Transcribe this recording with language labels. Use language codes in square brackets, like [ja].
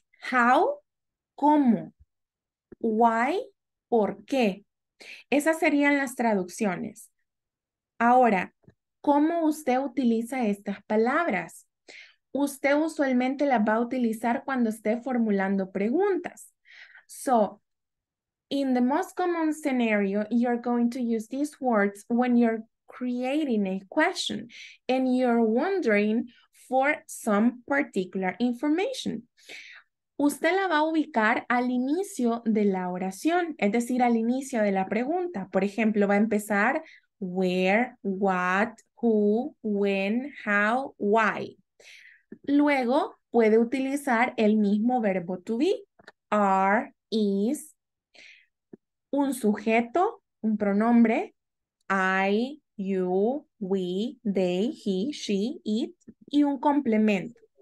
[es] How, cómo, why, por qué. Esas serían las traducciones. Ahora, ¿cómo usted utiliza estas palabras? Usted usualmente las va a utilizar cuando esté formulando preguntas. [en] So, in the most common scenario, you're going to use these words when you're creating a question and you're wondering for some particular information. [es] Usted la va a ubicar al inicio de la oración, es decir, al inicio de la pregunta. Por ejemplo, va a empezar where, what, who, when, how, why. Luego, puede utilizar el mismo verbo to be, are, is, un sujeto, un pronombre, I, you, we, they, he, she, it, y un complemento.